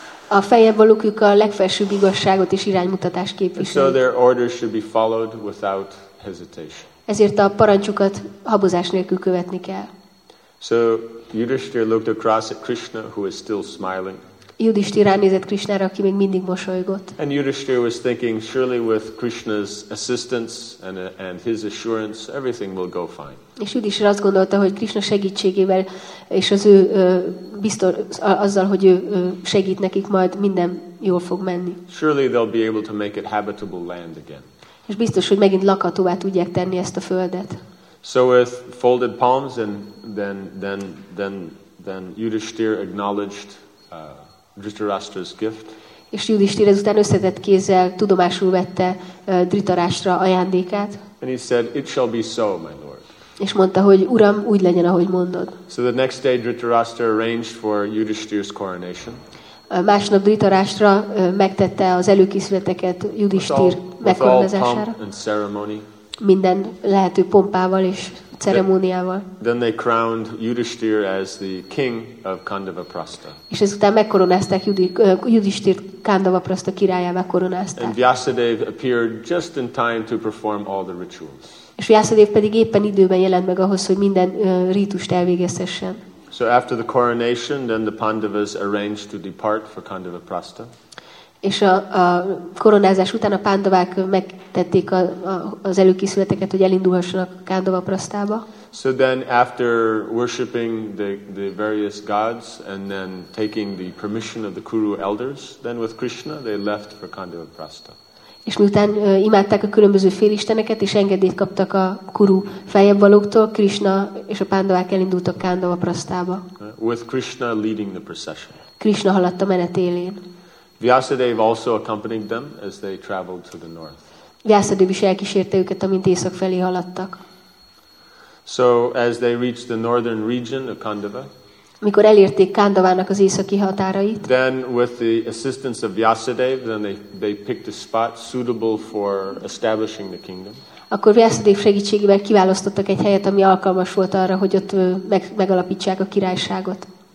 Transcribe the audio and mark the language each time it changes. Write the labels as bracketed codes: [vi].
[hu] A fejevalókuk a legfelsőbb igazságot és iránymutatást képviselik. [en] So their orders should be followed without hesitation. [hu] Ezért a parancsukat habozás nélkül követni kell. [en] So Yudhishthira looked across at Krishna, who is still smiling. [hu] Yudhishthira nézett Krishnára, aki még mindig mosolygott. [en] And Yudhishthira was thinking, surely with Krishna's assistance and his assurance, everything will go fine. [hu] És Yudhishthira azt gondolta, hogy Krishna segítségével és az ő biztos azzal, hogy ő segít nekik, majd minden jól fog menni. [en] Surely they'll be able to make it habitable land again. [hu] És biztos, hogy megint lakhatóvá tudják tenni ezt a földet. [en] So with folded palms and then Yudhishthira acknowledged Dhritarashtra's gift. [hu] És Yudhishthira ezután összetett kézzel tudomásul vette Dhritarashtra ajándékát. [en] And he said, "It shall be so, my lord." [hu] És mondta, hogy uram, úgy legyen, ahogy mondod. [en] So the next day Dhritarashtra arranged for Yudhishthira's coronation. [hu] Másnap Dhritarashtra megtette az előkészületeket Yudhishthir megkoronázására. Minden lehető pompával és ceremóniával. [en] Then they crowned Yudhishthira as the king of Kandavaprastha. [hu] És ezután megkoronázták Yudhishthirt Kandavaprastha királyává koronázták. [en] And Vyasadeva appeared just in time to perform all the rituals. [hu] És Vyasadeva pedig éppen időben jelent meg ahhoz, hogy minden rítust elvégezhessen. [en] So after the coronation, then the Pandavas arranged to depart for Kandavaprastha. [hu] És a koronázás után a pándavák megtették az előkészületeket, hogy elindulhassanak Kandavaprasztába. [en] So then after worshiping the various gods and then taking the permission of the Kuru elders, then with Krishna they left for Kandavaprastha. [hu] És miután imádták a különböző félisteneket és engedélyt kaptak a Kuru fejebbvalóktól, Krishna és a pándavák elindultak Kandavaprasztába. [en] With Krishna leading the procession. [hu] Krishna haladt a menet élén. [en] Vyasadeva also accompanied them as they traveled to the north. [hu] Vyasadeva is elkísérte őket, amint észak felé haladtak. [en] So as they reached the northern region of Kandava, [hu] mikor elérték Kandavának az északi határait, [en] then with the assistance of Vyasadeva, then they picked a spot suitable for establishing the kingdom. [hu] Akkor Vyasadeva segítségével kiválasztottak egy helyet, ami alkalmas volt arra, hogy ott megalapítsák a királyságot.